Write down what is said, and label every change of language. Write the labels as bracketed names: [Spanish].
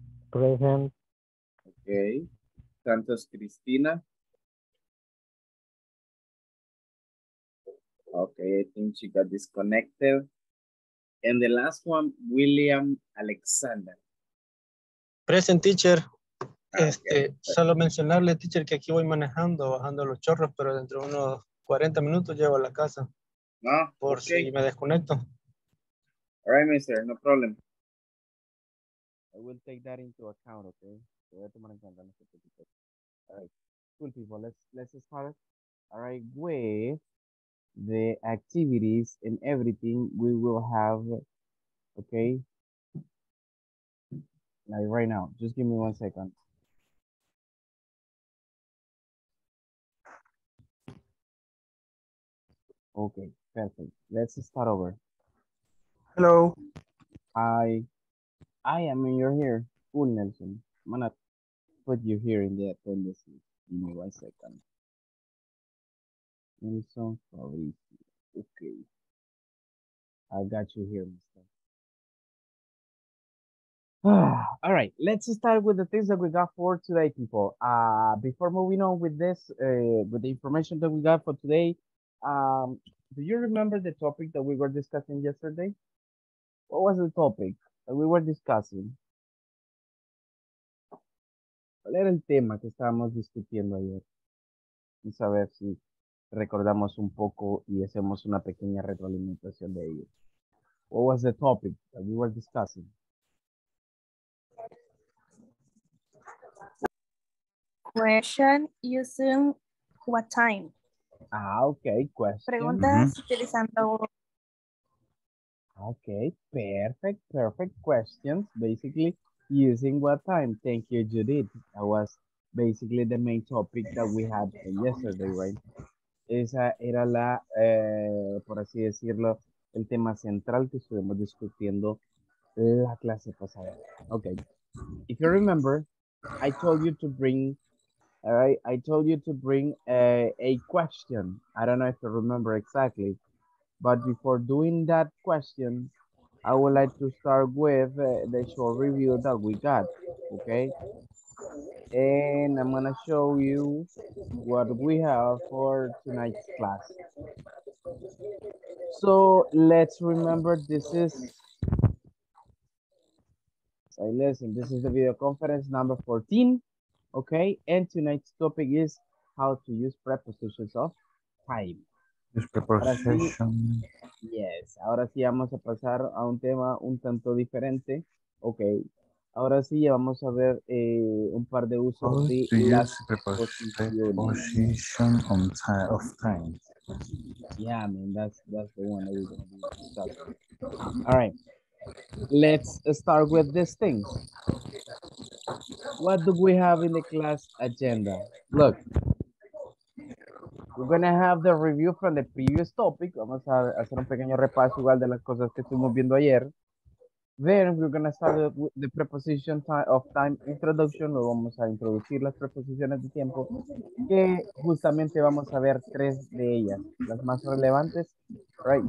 [English] Present. Okay. Santos Cristina. Okay, I think she got disconnected. And the last one, William Alexander. Present, teacher. Okay. [Spanish] Solo mencionarle, teacher, que aquí voy manejando, bajando los chorros, pero dentro de unos 40 minutos llego a la casa. No. Por okay. Si me desconecto. [English] All right, mister, no problem. I will take that into account, okay? [Spanish] Voy a tomar en cuenta en este tipo. [English] All right. Cool, people. Let's start. All right, with the activities and everything we will have, okay? Like right now. Just give me 1 second. Okay, perfect. Let's start over. Hello. Hi. I am in your here. Cool, Nelson. I'm gonna put you here in the appendix. Give me 1 second. Nelson, sorry. Okay. I got you here, mister. All right, let's start with the things that we got for today, people. Before moving on with this, with the information that we got for today, do you remember the topic that we were discussing yesterday? What was the topic that we were discussing? [Spanish] ¿Cuál era el tema que estábamos discutiendo ayer? Vamos a ver si recordamos un poco y hacemos una pequeña retroalimentación de ello. [English] What was the topic that we were discussing? Question using what time? Ah, okay, question. [Spanish] Preguntas utilizando. [English] Okay, perfect, perfect questions. Basically, using what time? Thank you, Judith. That was basically the main topic that we had yesterday, right? [Spanish] Esa era la, por así decirlo, el tema central que estuvimos discutiendo la clase pasada. [English] Okay, if you remember, I told you to bring. All right, I told you to bring a question. I don't know if you remember exactly, but before doing that question, I would like to start with the short review that we got, okay? And I'm gonna show you what we have for tonight's class. So let's remember this is, sorry, listen, this is the video conference number 14. Okay, and tonight's topic is how to use prepositions of time. Use prepositions. Yes, [Spanish] ahora sí vamos a pasar a un tema un tanto diferente. Okay, ahora sí ya vamos a ver un par de usos [English] how [Spanish] de [English] las prepositions of time. Yeah, I mean, that's the one that we're going to start. All right, let's start with this thing. What do we have in the class agenda? Look, we're going to have the review from the previous topic. [Spanish] Vamos a hacer un pequeño repaso igual de las cosas que estuvimos viendo ayer. [English] Then we're going to start with the preposition of time introduction. [Spanish] Luego vamos a introducir las preposiciones de tiempo. Que justamente vamos a ver tres de ellas, las más relevantes, [English] right?